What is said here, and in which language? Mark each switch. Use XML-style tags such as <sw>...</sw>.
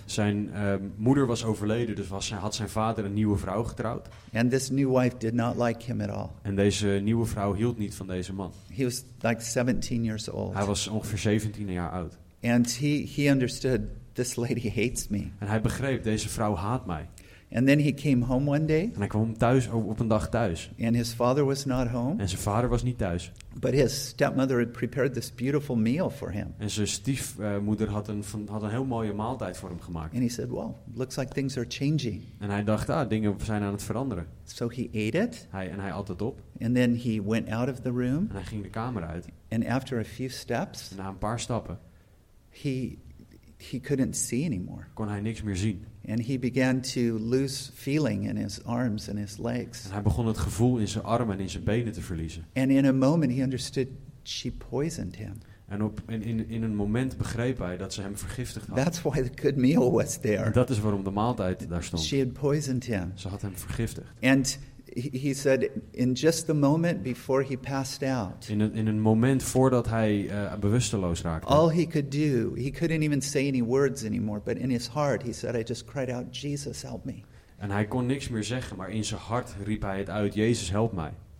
<nl>Zijn moeder was overleden, dus had zijn vader een nieuwe vrouw getrouwd.</nl> <en>And this new wife did not like him at all.</en> <nl>En deze nieuwe vrouw hield niet van deze man.</nl> <en>He was like 17 years old.</en> <nl>Hij was ongeveer 17 jaar oud.</nl> <en>And he understood, this lady hates me.</en> <nl>En hij begreep, deze vrouw haat mij.</nl> <en>And then he came home one day.</en> <nl>En hij kwam thuis op een dag thuis.</nl> <en>And his father was not home.</en> <nl>En zijn vader was niet thuis.</nl> <en>But his stepmother had prepared this beautiful meal for him.</en> <nl>En zijn stiefmoeder had een heel mooie maaltijd voor hem gemaakt.</nl> <en>And he said, "Well, looks like things are changing."</en> <nl>En hij dacht, dingen zijn aan het veranderen.</nl> <en>So he ate it.</en> <nl>Hij at het op.</nl> <en>And then he went out of the room.</en> <nl>En hij ging de kamer uit.</nl> <en>And after a few steps.</en> <nl>Na een paar stappen.</nl> <en>He couldn't see anymore.</en> <nl>Kon hij niks meer zien.</nl> <en>And he began to lose feeling in his arms and his legs.</en> <nl>En hij begon het gevoel in zijn armen en in zijn benen te verliezen.</nl> <en>And in a moment he understood she poisoned him.</en> <nl>En in een moment begreep hij dat ze hem vergiftigd had.</nl> <en>That's why the good meal was there.</en> <nl>En dat is waarom de maaltijd daar stond.</nl> <en>She had poisoned him.</en> <nl>Ze had hem vergiftigd.</nl> <en>And he said in just the moment before he passed out.</en> <nl>In een moment voordat hij bewusteloos raakte.</nl> <en>All he could do, he couldn't even say any words anymore, but in his heart he said, "I just cried out, Jesus, help me."</en> <nl>En hij kon niks meer zeggen, maar in zijn hart riep hij het uit, "Jezus, help mij."</nl>